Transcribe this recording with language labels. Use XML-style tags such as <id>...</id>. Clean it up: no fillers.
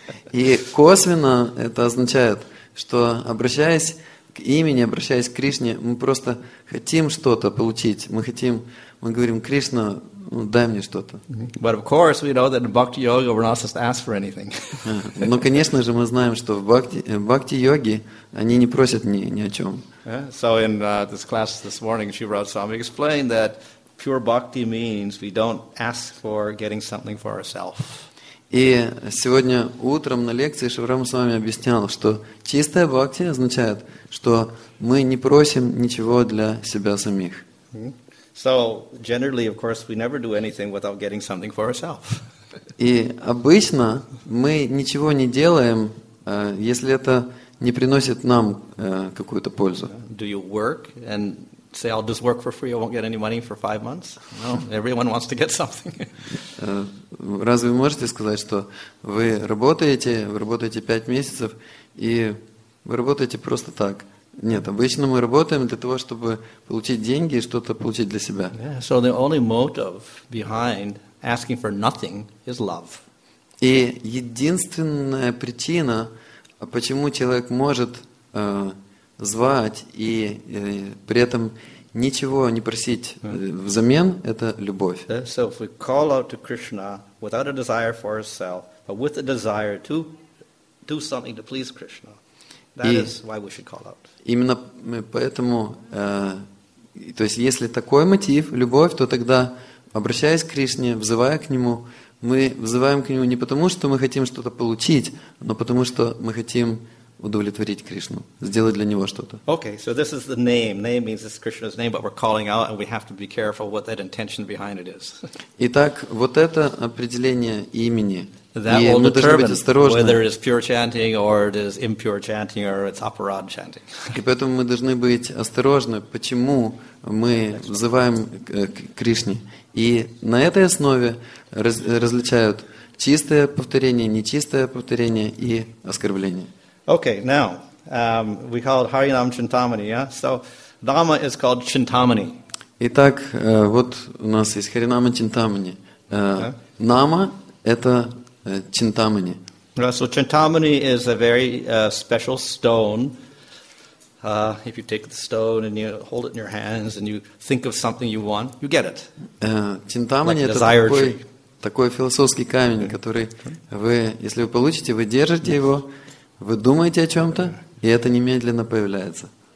<ru>И косвенно это означает, что обращаясь, к имени, обращаясь к Кришне, мы просто хотим что-то получить. Мы говорим: Кришна, ну, дай мне что-то.</ru> <en>But of course we know that in bhakti yoga we're not supposed to ask for anything.</en> <ru>Но конечно же мы знаем, что в бхакти йоги они не просят ни о чем.</ru> <en>So in this class this morning, Shri Radhaswami explained that pure bhakti means we don't ask for getting something for ourselves.</en> <ru>И сегодня утром на лекции Шри Радхасвами объяснял, что чистая бхакти означает, что мы не просим ничего для себя самих.</ru> <en>So generally, of course, we never do anything without getting something for ourselves.</en> <ru>И обычно мы ничего не делаем, если это не приносит нам какую-то пользу.</ru> <en>Do you work and say, I'll just work for free, I won't get any money for 5 months? No, everyone wants to get something.</en> <ru>Разве можете сказать, что вы работаете 5 месяцев, и вы работаете просто так? Нет, обычно мы работаем для того, чтобы получить деньги и что-то получить для себя.</ru> <en>Yeah, so the only motive behind asking for nothing is love.</en> <ru>И единственная причина, почему человек может звать и при этом ничего не просить взамен, это любовь.</ru> <en>Yeah, so if we call out to Krishna without a desire for ourselves, but with a desire to do something to please Krishna, that is why we should call out.</en> <ru>Именно поэтому, то есть если такой мотив, любовь, то тогда, обращаясь к Кришне, взывая к Нему, мы взываем к Нему не потому, что мы хотим что-то получить, но потому, что мы хотим удовлетворить Кришну, сделать для Него что-то.</ru> <en>Okay, so this is the name. Name means it's Krishna's name, but we're calling out, and we have to be careful what that intention behind it is.</en> <ru>Итак, вот это определение имени.</ru> <en>That will determine whether it is pure chanting or it is impure chanting or it's aparad chanting.</en> <ru>И поэтому мы должны быть осторожны, почему мы взываем к Кришне. И на этой основе различают чистое повторение, нечистое повторение и оскорбление.</ru> <en>Okay, now, we call it Harinam Chintamani, yeah? So, Dhamma is called Chintamani.</en> <ru>Итак, вот у нас есть Харинама Чинтамани. Нама — это Чинтамани.</ru> <en>So, Чинтамани is a very special stone. If you take the stone and you hold it in your hands and you think of something you want, you get it.</en> <ru>Чинтамани — это такой философский камень, который вы, если вы получите, вы держите его, вы думаете о чем-то, и это немедленно появляется.</ru>